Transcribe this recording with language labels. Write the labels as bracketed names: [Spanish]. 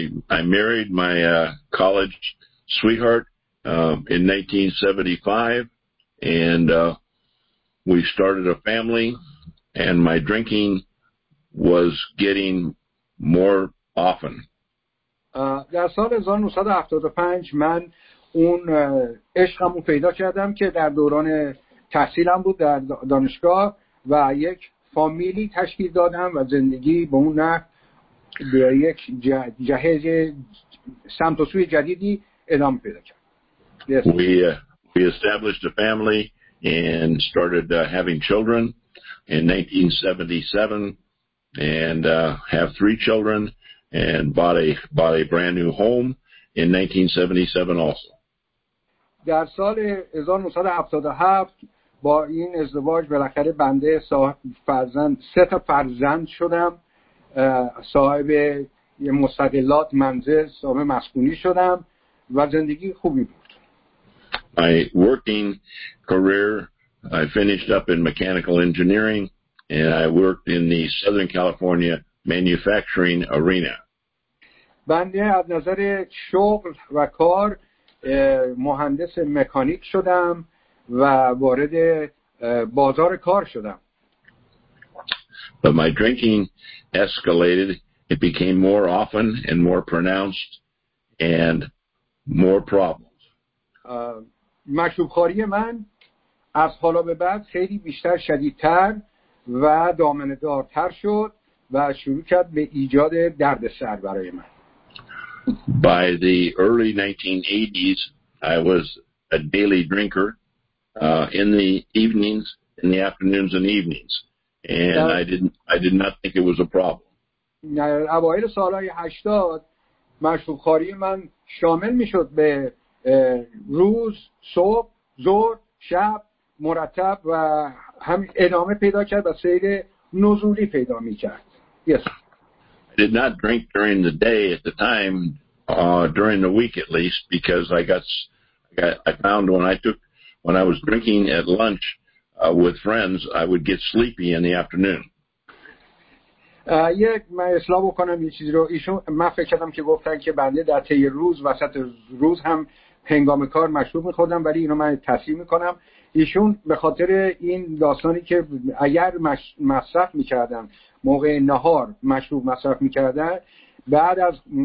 [English] I married my college sweetheart in 1975, and we started a family, and my drinking was getting more often. [Persian] در سال 1975 من اون عشقمو پیدا کردم که در دوران تحصیلم بود در دانشگاه و یک فامیلی تشکیل دادم و زندگی به اون نحو به یک جهت سمت و سوی جدیدی ادامه پیدا کرد. [English] Yes. We established a family and started having children in 1977 and have three children and bought a brand new home in 1977 also. [Persian] در سال 1977 با این ازدواج بالاخره بنده سه تا فرزند شدم، صاحب مستقلات منزل، صاحب مسکونی شدم و زندگی خوبی بود. [English] My working career, I finished up in mechanical engineering and I worked in the Southern California manufacturing arena. [Persian] بنده از نظر شغل و کار مهندس مکانیک شدم و وارد بازار کار شدم. [English] But my drinking escalated. It became more often and more pronounced and more problems. [Persian] مشروب‌خوری من از حالا به بعد خیلی بیشتر شدیدتر و دامنه‌دارتر شد و شروع کرد به ایجاد دردسر برای من. [English] By the early 1980s, I was a daily drinker in the evenings, in the afternoons and evenings. And I did not think it was a problem. [Persian] اوایل سالهای 80 مشروب‌خواری من شامل میشد به روز، صبح، ظهر، شب، مرتب و هم ادامه پیدا کرد و سیر نزولی پیدا میکرد. [English] Yes. I did not drink during the day at the time, during the week at least, because I found when I was drinking at lunch with friends, I would get sleepy in the afternoon. [Persian] یک من اصلاح بکنم یه چیزی رو، ایشون من فکر کردم که گفتن که بنده در طی روز وسط روز هم هنگام کار مشروب می‌خوردم، ولی اینو من تصحیح می‌کنم، ایشون به خاطر این داستانی که اگر مصرف می‌کردم موقع نهار مشروب مصرف می‌کردم، بعد از